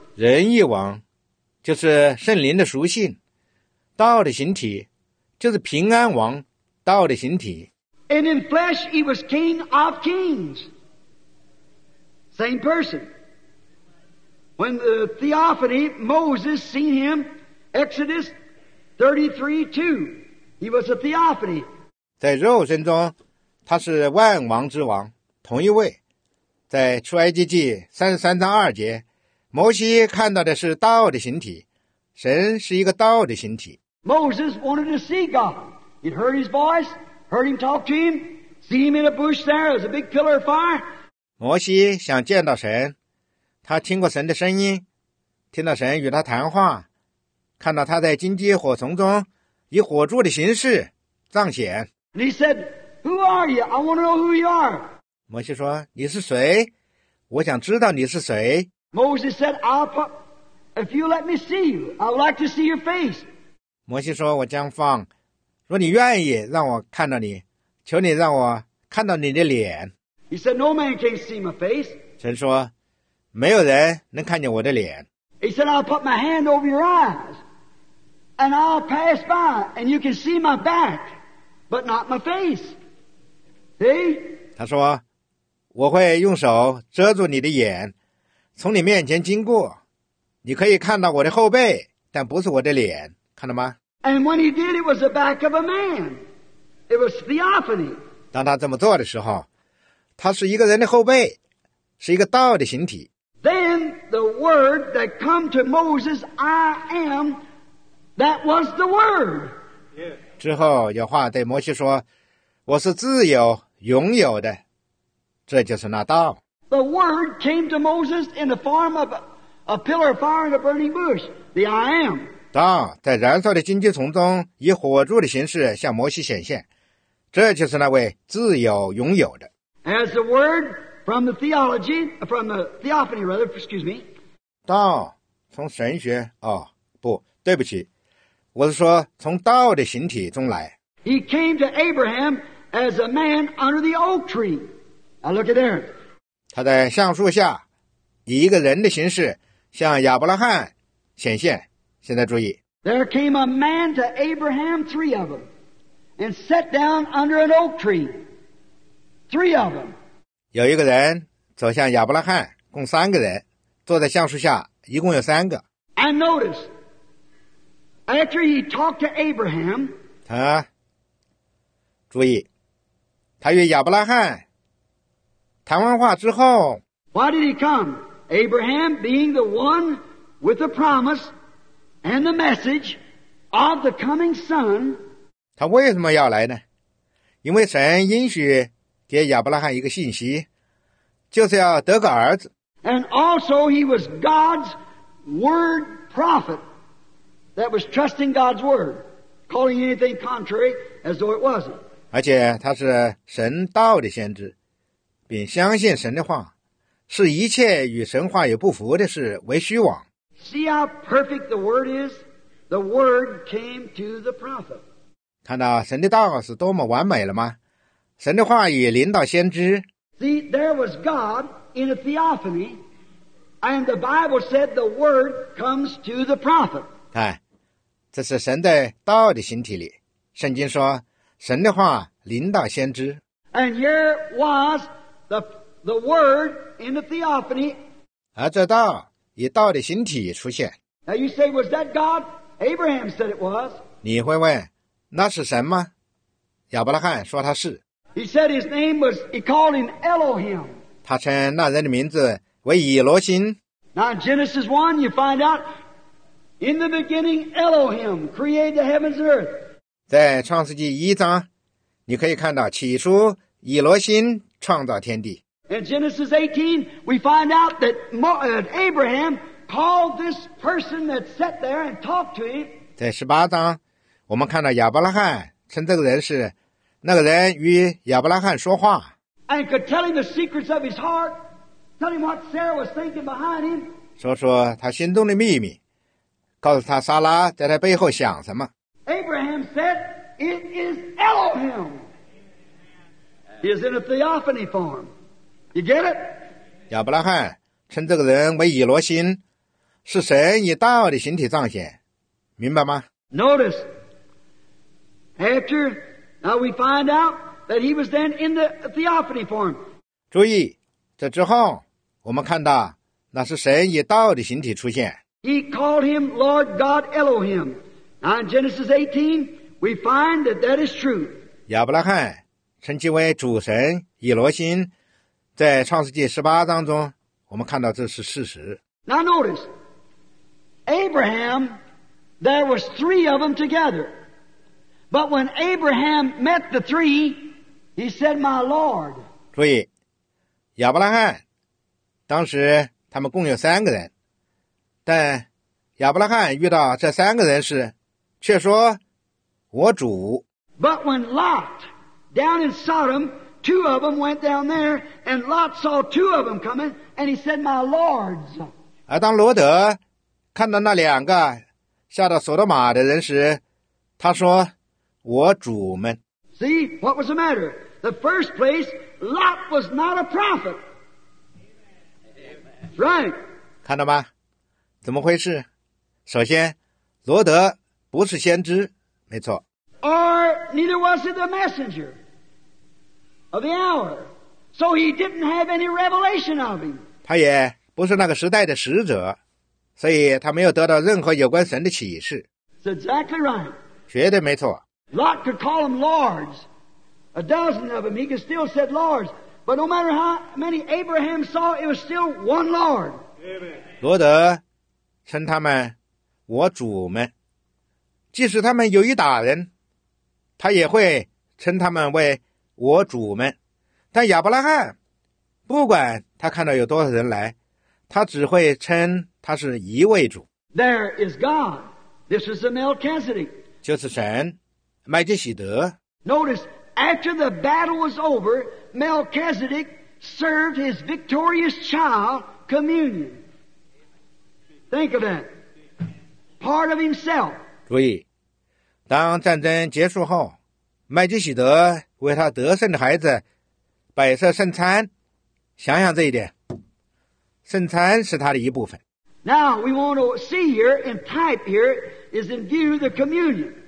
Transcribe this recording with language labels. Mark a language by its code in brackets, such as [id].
[zh] 仁义王就是圣灵的属性，道的形体就是平安王，道的形体。 [en] And in flesh, he was King of Kings. Same person. When the Theophany, Moses, seen him, Exodus 33:2, he was a Theophany. [zh] 在肉身中，他是万王之王，同一位。在出埃及记33:2，摩西看到的是道的形体，神是一个道的形体。 [en] Moses wanted to see God. He heard his voice. Heard him talk to him, see him in a bush there as a big pillar of fire. [zh] 摩西想见到神，他听过神的声音，听到神与他谈话，看到他在荆棘火丛中以火柱的形式彰显。 [en] And he said, "Who are you? I want to know who you are." [zh] 摩西说：“你是谁？我想知道你是谁。” [en] Moses said, "If you let me see you, I would like to see your face." [zh] 摩西说：“我将放说你愿意让我看到你，求你让我看到你的脸。 [en] He said, "No man can see my face." [zh] 神说，没有人能看见我的脸。 [en] He said, "I'll put my hand over your eyes, and I'll pass by, and you can see my back, but not my face." See? [zh] 他说，我会用手遮住你的眼，从你面前经过，你可以看到我的后背，但不是我的脸，看到吗？ [en] And when he did, it was the back of a man. It was theophany. [zh] 当他这么做的时候，他是一个人的后背，是一个道的形体。 [en] Then the word that come to Moses, I am, that was the word. [zh] 之后有话对摩西说，我是自由拥有的，这就是那道。 [en] The word came to Moses in the form of a pillar of fire and a burning bush, the I am. [zh] 道在燃烧的荆棘丛中以火柱的形式向摩西显现，这就是那位自由拥有的。 [en] As the word from the theology, from the theophany rather, excuse me. [zh] 道从神学，哦，不，对不起，我是说从道的形体中来。 [en] He came to Abraham as a man under the oak tree. Now look at there. [zh] 他在橡树下以一个人的形式向亚伯拉罕显现。现在注意。 [en] There came a man to Abraham, three of them, and sat down under an oak tree. Three of them. [zh] 有一个人走向亚伯拉罕，共三个人坐在橡树下，一共有三个。 [en] And notice, after he talked to Abraham, [zh] 他注意，他与亚伯拉罕谈完话之后 [en] ，Why did he come? Abraham being the one with the promise and the message of the coming son. [zh] 他为什么要来呢？因为神应许。给亚伯拉罕一个信息，就是要得个儿子。 [en] And also he was God's word prophet that was trusting God's word, calling anything contrary as though it wasn't. [zh] 而且他是神道的先知，并相信神的话，视一切与神话有不符的事为虚妄。 [en] See how perfect the word is? The word came to the prophet. [zh] 看到神的道是多么完美了吗？神的话语临到先知。 [en] See, there was God in a theophany, and the Bible said the word comes to the prophet. [zh] 看，这是神在道的形体里。圣经说，神的话临到先知。 [en] And here was the word in the theophany. [zh] 而这道以道的形体出现。 [en] Now you say, was that God? Abraham said it was. [zh] 你会问，那是神吗？亚伯拉罕说他是。 [en] He said his name was, he called him Elohim. [zh] 他称那人的名字为以罗心。 [en] Now in Genesis 1, you find out, in the beginning, Elohim created the heavens and earth. [zh] 在创世纪一章，你可以看到起初以罗心创造天地。 [en] In Genesis 18, we find out that Abraham called this person that sat there and talked to him. [zh] 在十八章，我们看到亚伯拉罕称这个人是那个人与亚伯拉罕说话， [en] and could tell him the secrets of his heart, tell him what Sarah was thinking behind him. [zh] 说说他心中的秘密，告诉他撒拉在他背后想什么。 [en] Abraham said, "It is Elohim." He is in a theophany form. You get it? [zh] 亚伯拉罕称这个人为以罗心，是神以道的形体彰显，明白吗 [en] ？Notice after. Now we find out that he was then in the theophany form. [zh] 注意，这之后我们看到那是神以道的形体出现。 [en] He called him Lord God Elohim. Now in Genesis 18, we find that that is true. [zh] 亚伯拉罕称其为主神以罗心，在创世纪十八章中，我们看到这是事实。 [en] Now notice, Abraham, there was three of them together. But when Abraham met the three, he said, "My Lord." [zh] 注意，亚伯拉罕当时他们共有三个人，但亚伯拉罕遇到这三个人时，却说，我主。 [en] But when Lot down in Sodom, two of them went down there, and Lot saw two of them coming, and he said, "My Lords." [zh] 而当罗德看到那两个下到索多玛的人时，他说。我主们。 [en] See, what was the matter? The first place, Lot was not a prophet. Right. [zh] 看到吗？怎么回事？首先，罗德不是先知，没错。 [en] Or neither was he the messenger of the hour. So he didn't have any revelation of him. [zh] 他也不是那个时代的使者，所以他没有得到任何有关神的启示。 [en] It's exactly right. [zh] 绝对没错。 [en] Lot could call them lords. A dozen of them, he could still say lords. But no matter how many Abraham saw, it was still one Lord. [zh] 罗德称他们我主们，即使他们有一打人，他也会称他们为我主们。但亚伯拉罕不管他看到有多少人来，他只会称他是一位主。 [en] There is God. This is the Melchizedek. [zh] 就是神麦基洗德。 [en] Notice, after the battle was over, Melchizedek served his victorious child communion. Think of that. Part of himself. [zh] 注意，当战争结束后，麦基洗德为他得胜的孩子摆设圣餐，想想这一点，圣餐是他的一部分。 [en] Now we want to see here in type here is in view the communion.